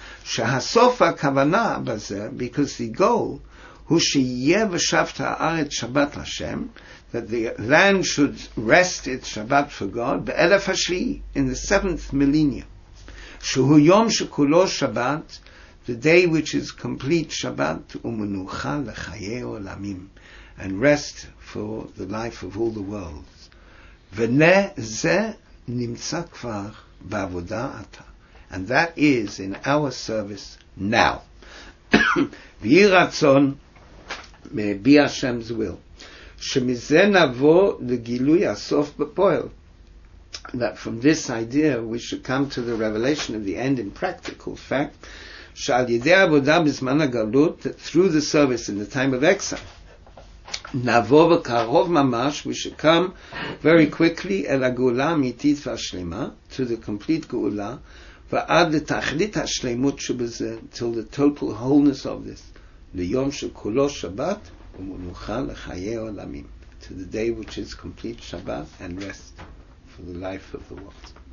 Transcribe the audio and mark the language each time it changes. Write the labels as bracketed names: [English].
[Hebrew] שהסוף הכוונה בזה, [English] because the goal, [Hebrew] הוא שיהיה ושבת הארץ שבת לשם, [English] that the land should rest its Shabbat for God, [Hebrew] באלף השביעי, [English] in the seventh millennium, [Hebrew] שהוא יום שכולו שבת, [English] the day which is complete Shabbat, [Hebrew] ומנוחה לחיי עולמים, [English] and rest for the life of all the worlds. [Hebrew] ולזה נמצא כבר בעבודה עתה. [English] And that is in our service now. [Hebrew] ויהי רצון, מביע השם's will, שמזה נבוא לגילוי הסוף בפועל. [English] That from this idea we should come to the revelation of the end in practical fact, [Hebrew] שעל ידי עבודה בזמן הגלות, [English] through the service in the time of exile, [Hebrew] נבוא בקרוב ממש, [English] we should come very quickly [Hebrew] אל הגאולה האמיתית והשלמה, [English] to the complete גאולה, [Hebrew] ועד לתכלית השלמות שבזה, [English] till the total wholeness of this, [Hebrew] ליום שכולו שבת, ומנוחה לחיי עולמים, [English] to the day which is complete Shabbat and rest for the life of the world.